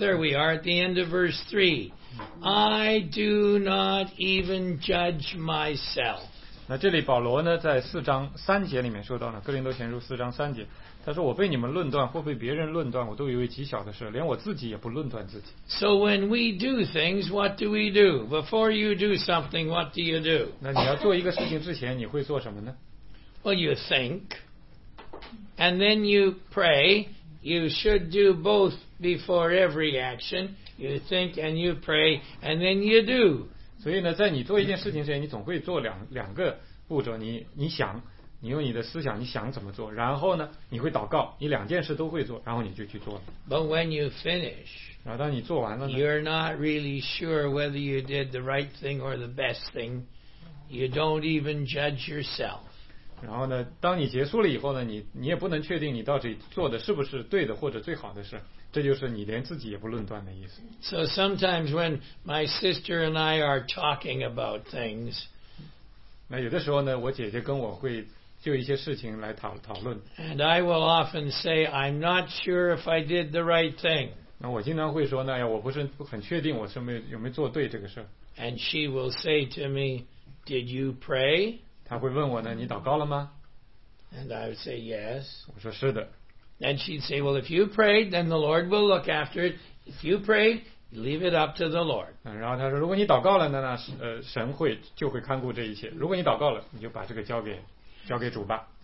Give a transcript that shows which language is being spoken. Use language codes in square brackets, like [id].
[en] There we are at the end of verse 3. I do not even judge myself. [zh] 那这里保罗呢在四章三节里面说到呢，哥林多前书四章三节，他说我被你们论断或被别人论断，我都以为极小的事，连我自己也不论断自己。 [en] So when we do things, what do we do? Before you do something, what do you do? [zh] 那你要做一个事情之前你会做什么呢？ [en] Well, you think, and then you pray. You should do both before every action. You think and you pray, and then you do. [zh] 所以呢，在你做一件事情之前，你总会做两个步骤。你想，你用你的思想，你想怎么做，然后呢，你会祷告，你两件事都会做，然后你就去做了。 [en] But when you finish, [zh] 然后当你做完了呢 [en] ，you're not really sure whether you did the right thing or the best thing. You don't even judge yourself. [zh] 然后呢，当你结束了以后呢，你也不能确定你到底做的是不是对的或者最好的事，这就是你连自己也不论断的意思。 [en] So sometimes when my sister and I are talking about things, [zh] 那有的时候呢，我姐姐跟我会就一些事情来讨论。 [en] And I will often say, I'm not sure if I did the right thing. [zh] 那我经常会说呢，哎呀，我不是很确定我是没有没做对这个事。 [en] And she will say to me, Did you pray? [zh] 他会问我呢，你祷告了吗？ [en] And I would say yes. [zh] 我说是的。 [en] And she'd say, well, if you prayed, then the Lord will look after it. If you prayed, leave it up to the Lord. [zh] 然后他说，如果你祷告了呢，那神会就会看顾这一切。如果你祷告了，你就把这个交给主吧。